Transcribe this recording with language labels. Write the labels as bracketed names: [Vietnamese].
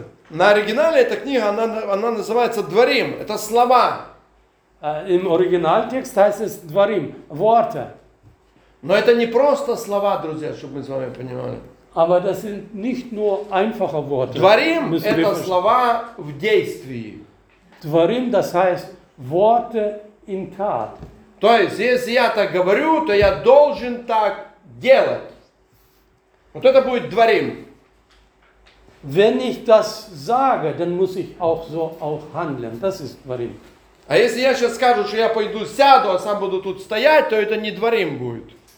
[Russian] На оригинале эта книга, она называется Дворим. Это слова. [German] Im Originaltext heißt es Dvarim, Worte. [Russian] Но это не просто слова, друзья, чтобы мы с вами понимали. [German] Aber das sind nicht nur einfache Worte. [Russian] Dvarim – это слова в действии. [German] Dvarim – das heißt Worte in Tat. [Russian] То есть, если я так говорю, то я должен так делать. Вот это будет Dvarim. [German] Wenn ich das sage, dann muss ich auch so auch handeln. Das ist Dvarim. [Russian] А если я сейчас скажу, что я пойду сяду, а сам буду тут стоять, то это не Dvarim будет.